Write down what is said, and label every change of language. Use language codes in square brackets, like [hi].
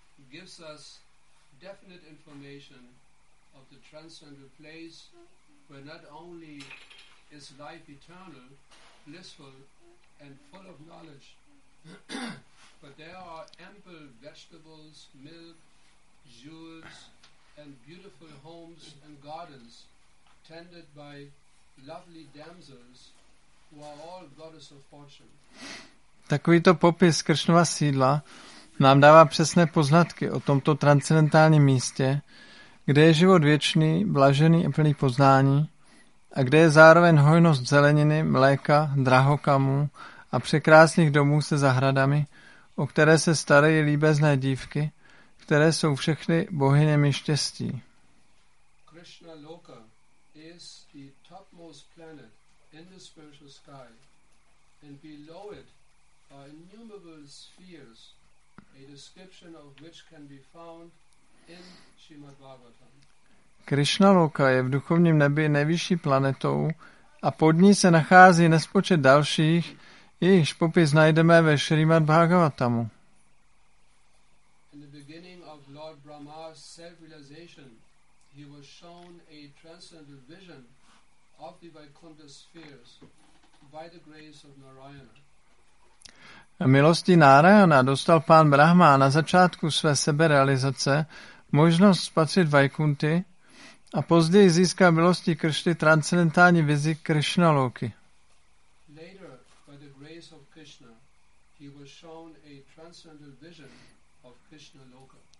[en] Gives us definite information of the transcendental place where not only is life eternal, blissful, and full of knowledge, but there are ample vegetables, milk, jewels, and beautiful homes and gardens tended by lovely damsels who are all goddesses of fortune. [cs] Takovýto popis Kršnova sídla nám dává přesné poznatky o tomto transcendentálním místě, kde je život věčný, blažený a plný poznání a kde je zároveň hojnost zeleniny, mléka, drahokamů a překrásných domů se zahradami, o které se starají líbezné dívky, které jsou všechny bohyněmi štěstí. [en] Krishna Loka is the topmost planet in the spiritual sky and below it are innumerable spheres. A description of which can be found in Srimad Bhagavatam. [cs] Krishna Loka je v duchovním nebi nejvyšší planetou a pod ní se nachází nespočet dalších, jejichž popis najdeme ve Srimad Bhagavatamu. [en] In the beginning of Lord Brahma's self-realization, he was shown a transcendental vision of the Vaikuntha spheres by the grace of Narayana. [cs] Milostí Narayana dostal pán Brahma na začátku své seberealizace možnost spatřit Vaikunty a později získal milostí Kršny transcendentální vizi Krishna Loki. [en] Later, by the grace of Krishna, he was shown a transcendental vision of Krishna Loka.